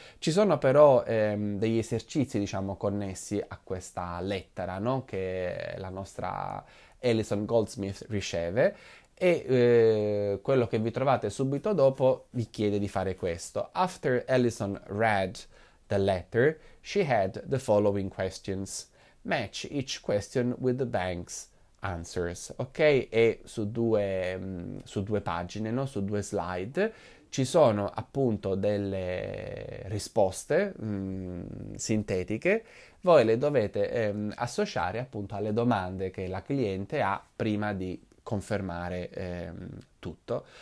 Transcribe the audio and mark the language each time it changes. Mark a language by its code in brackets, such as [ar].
[it] Ci sono però degli esercizi, diciamo, connessi a questa lettera, no? Che la nostra Alison Goldsmith riceve e quello che vi trovate subito dopo vi chiede di fare questo. [en] After Alison read the letter, she had the following questions. Match each question with the bank's answers, ok? [it] E su due pagine, no? Su due slide ci sono appunto delle risposte sintetiche. Voi le dovete associare appunto alle domande che la cliente ha prima di confermare tutto.